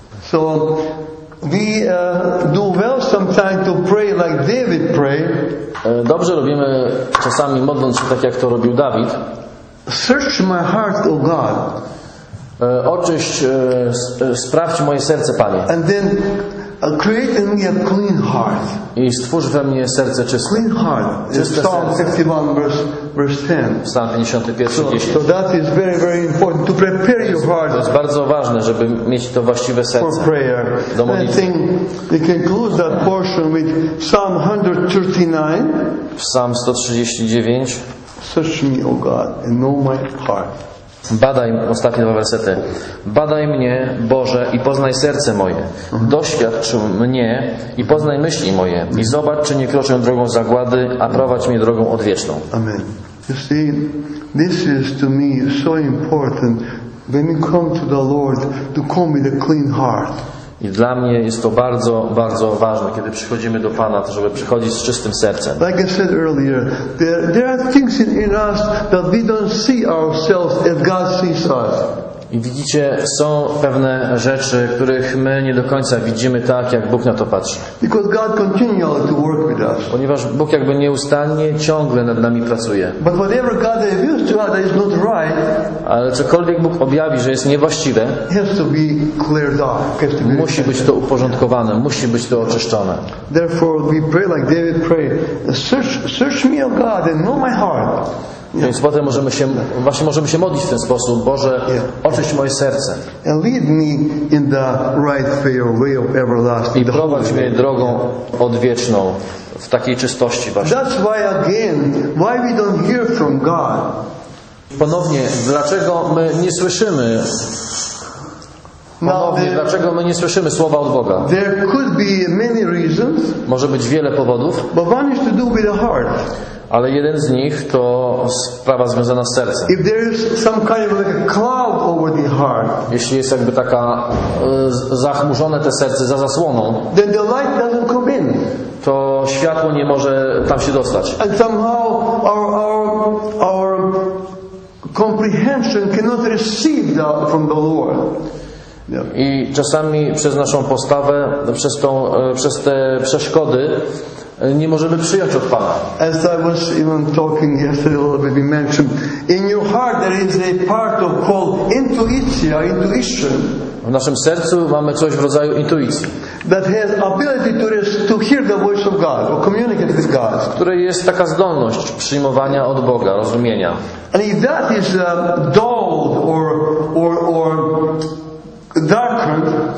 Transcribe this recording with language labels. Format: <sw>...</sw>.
<en>So we do well sometimes to pray like David prayed.</en> <pl>Dobrze robimy czasami modląc się tak jak to robił Dawid.</pl> <en>Search my heart, O God.</en> <pl>Oczyść, sprawdź moje serce, Panie.</pl> <en>And then create in me a clean heart.</en> <pl>I stwórz we mnie serce czyste.</pl> <en>Clean heart.</en> <pl>Czyste</pl> <en>Psalm 51 verse 10.</en> <pl>Psalm 51,</pl> <en>so,</en> <pl>10.</pl> <en>So that is very very important to prepare your heart.</en> <pl>To jest bardzo ważne, żeby mieć to właściwe serce.</pl> <en>For prayer.</en> <pl>Do modlitwy.</pl> <en>I think we can close that portion with Psalm 139.</en> <pl>Psalm 139.</pl> <en>Search me, O God, and know my heart.</en> <pl>Badaj, ostatnie dwa wersety. Badaj mnie, Boże, i poznaj serce moje. Doświadcz mnie i poznaj myśli moje. I zobacz, czy nie kroczę drogą zagłady, a prowadź mnie drogą odwieczną.</pl> <en>Amen. You see, this is to me so important when we come to the Lord to come with a clean heart.</en> <pl>I dla mnie jest to bardzo, bardzo ważne, kiedy przychodzimy do Pana, to żeby przychodzić z czystym sercem.</pl> <en>Like I said earlier, there are things in us that we don't see ourselves as God sees us.</en> <pl>I widzicie, są pewne rzeczy, których my nie do końca widzimy tak, jak Bóg na to patrzy.</pl> <en>Because God continually to work with us.</en> <pl>Ponieważ Bóg jakby nieustannie, ciągle nad nami pracuje.</pl> <en>But whatever God reveals to us is not right.</en> <pl>Ale cokolwiek Bóg objawi, że jest niewłaściwe,</pl> <en>has to be cleared off. Has to be</en> <pl>musi być to uporządkowane, musi być to oczyszczone.</pl> <en>Therefore we pray like David prayed, search me, O God, and know my heart.</en> <pl>Więc potem możemy się modlić w ten sposób: Boże, oczyść moje serce.</pl> <en>And lead me in the right way of everlasting.</en> <pl>I prowadź mnie drogą odwieczną w takiej czystości właśnie.</pl> <en>That's why again, why we don't hear from God.</en> <pl>Ponownie, dlaczego my nie słyszymy? Dlaczego my nie słyszymy słowa od Boga?</pl> <en>There could be many reasons.</en> <pl>Może być wiele powodów.</pl> <en>But one is to do with the heart.</en> <pl>Ale jeden z nich to sprawa związana z sercem.</pl> <en>If there is some kind of like a cloud over the heart,</en> <pl>jeśli jest jakby taka zachmurzone te serce za zasłoną,</pl> <en>then the light doesn't come in.</en> <pl>To światło nie może tam się dostać.</pl> <en>And somehow our comprehension cannot receive that from the Lord.</en> <pl>I czasami przez naszą postawę, przez te przeszkody, nie możemy przyjąć od Pana.</pl> <en>As I was even talking yesterday, a little bit, we mentioned, in your heart there is a part of called intuition.</en> <pl>W naszym sercu mamy coś w rodzaju intuicji.</pl> <en>That has ability to hear the voice of God or communicate with God.</en> <pl>Która jest taka zdolność przyjmowania od Boga, rozumienia.</pl> <en>And if that is dulled or darkened,</en>